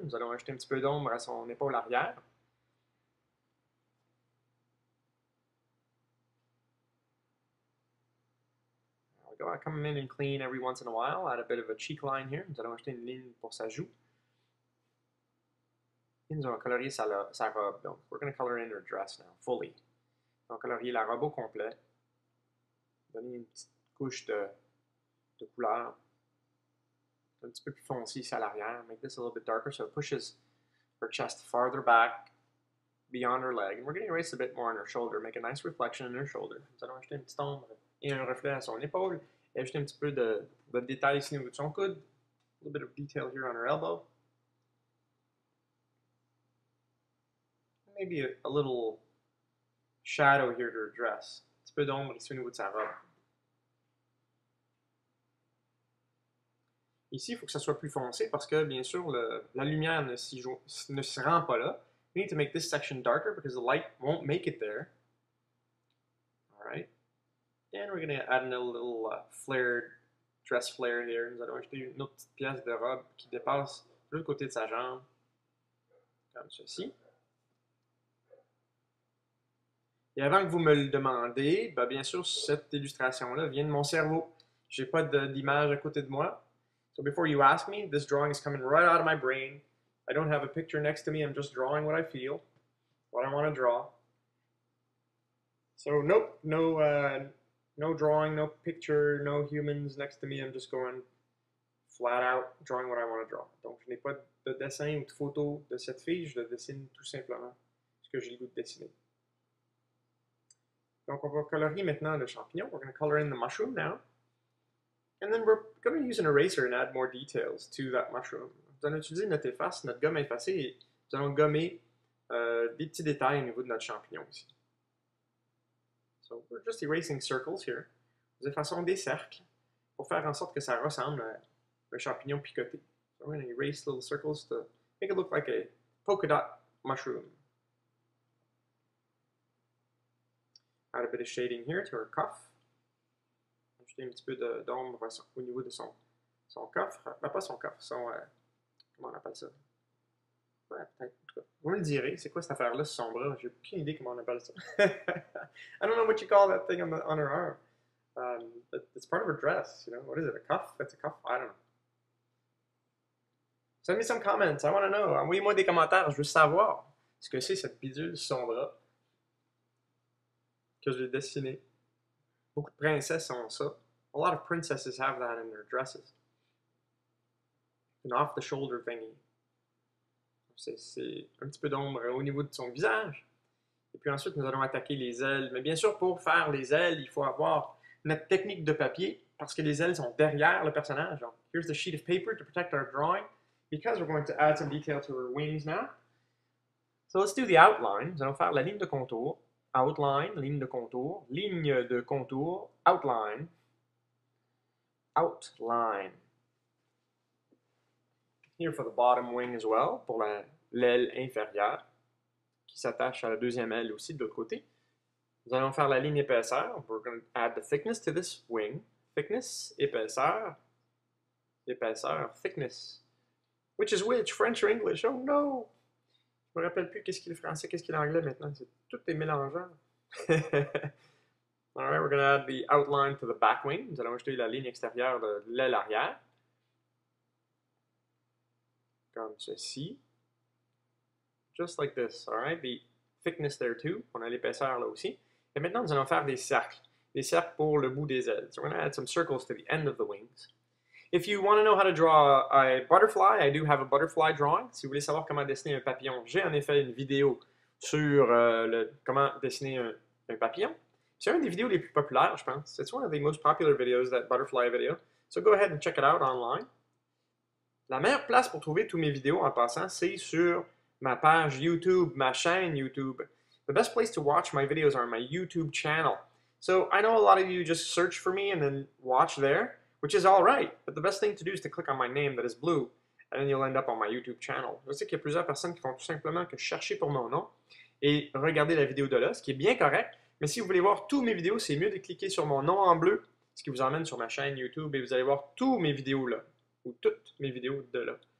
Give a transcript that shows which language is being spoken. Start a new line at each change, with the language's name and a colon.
French: Nous allons ajouter un petit peu d'ombre à son épaule arrière.
English: Go ahead, come in and clean every once in a while. Add a bit of a cheek line here.
French: Nous allons ajouter une ligne pour sa joue. Et nous allons colorier sa robe.
English: Donc, we're going to color in her dress now, fully.
French: On va colorier la robe au complet. Donner une petite couche de couleur. Un petit peu plus foncé ici à l'arrière.
English: Make this a little bit darker so it pushes her chest farther back beyond her leg. And we're going to erase a bit more on her shoulder. Make a nice reflection in her shoulder.
French: Nous allons ajouter une petite ombre. Et un reflet à son épaule. Et ajouter un petit peu de détails ici au niveau de son coude.
English: A little bit of detail here on her elbow. Maybe a little shadow here to her dress.
French: Un petit peu d'ombre ici au niveau de sa robe. Ici, il faut que ça soit plus foncé parce que, bien sûr, la lumière ne s'y rend pas là.
English: We need to make this section darker because the light won't make it there. Alright. And we're going to add in a little dress flare here.
French: Nous allons ajouter une autre petite pièce de robe qui dépasse de l'autre côté de sa jambe. Comme ceci. Et avant que vous me le demandez, ben bien sûr, cette illustration-là vient de mon cerveau. J'ai pas d'image à côté de moi.
English: So before you ask me, this drawing is coming right out of my brain. I don't have a picture next to me. I'm just drawing what I feel, what I want to draw. So nope, no drawing, no picture, no humans next to me. I'm just going flat out drawing what I want to draw.
French: Donc, je n'ai pas de dessin ou de photo de cette fille. Je le dessine tout simplement ce que j'ai le goût de dessiner. Donc, on va colorier maintenant le champignon.
English: We're going to color in the mushroom now. And then we're going to use an eraser and add more details to that mushroom.
French: Nous allons utiliser notre efface, notre gomme effacée. Nous allons gommer des petits détails au niveau de notre champignon ici.
English: So we're just erasing circles here.
French: Nous effaçons des cercles pour faire en sorte que ça ressemble à un champignon picoté.
English: So we're going to erase little circles to make it look like a polka dot mushroom. Add a bit of shading here to our cuff.
French: Ajouter un petit peu d'ombre au niveau de son coffre. Ben pas son coffre, son... comment on appelle ça? Ouais, peut-être. Vous me le direz, c'est quoi cette affaire-là, ce sombre? J'ai aucune idée comment on appelle ça.
English: I don't know what you call that thing on her arm. But it's part of her dress, you know? What is it, a cuff? It's a cuff? I don't know. Send me some comments, I want to know.
French: Envoyez-moi des commentaires, je veux savoir ce que c'est cette bidule sombre que j'ai dessinée. Beaucoup de princesses ont ça.
English: A lot of princesses have that in their dresses. An off-the-shoulder thingy.
French: C'est un petit peu d'ombre au niveau de son visage. Et puis ensuite, nous allons attaquer les ailes. Mais bien sûr, pour faire les ailes, il faut avoir notre technique de papier parce que les ailes sont derrière le personnage.
English: Donc, here's the sheet of paper to protect our drawing because we're going to add some detail to our wings now. So let's do the outline.
French: Nous allons faire la ligne de contour. Outline, ligne de contour. Ligne de contour. Outline. Outline.
English: Here for the bottom wing as well,
French: pour l'aile inférieure, qui s'attache à la deuxième aile aussi de l'autre côté. Nous allons faire la ligne épaisseur.
English: We're going to add the thickness to this wing. Thickness, épaisseur. Épaisseur, thickness. Which is which, French or English? Oh no!
French: Je me rappelle plus qu'est-ce qu'il est français, qu'est-ce qu'il est anglais maintenant. C'est tout est mélangeant.
English: All right, we're going to add the outline to the back wing.
French: Nous allons ajouter la ligne extérieure de l'aile arrière. Comme ceci.
English: Just like this, alright? The thickness there too.
French: On a l'épaisseur là aussi. Et maintenant, nous allons faire des cercles. Des cercles pour le bout des ailes.
English: So we're going to add some circles to the end of the wings. If you want to know how to draw a butterfly, I do have a butterfly drawing.
French: Si vous voulez savoir comment dessiner un papillon, j'ai en effet une vidéo sur comment dessiner un papillon. C'est une des vidéos les plus populaires, je pense.
English: It's one of the most popular videos, that butterfly video. So go ahead and check it out online.
French: La meilleure place pour trouver toutes mes vidéos en passant, c'est sur ma page YouTube, ma chaîne YouTube.
English: The best place to watch my videos are my YouTube channel. So I know a lot of you just search for me and then watch there, which is all right, but the best thing to do is to click on my name that is blue, and then you'll end up on my YouTube channel.
French: Je sais qu'il y a plusieurs personnes qui font tout simplement que chercher pour mon nom et regarder la vidéo de là, ce qui est bien correct, mais si vous voulez voir toutes mes vidéos, c'est mieux de cliquer sur mon nom en bleu, ce qui vous emmène sur ma chaîne YouTube, et vous allez voir toutes mes vidéos là, ou toutes mes vidéos de là.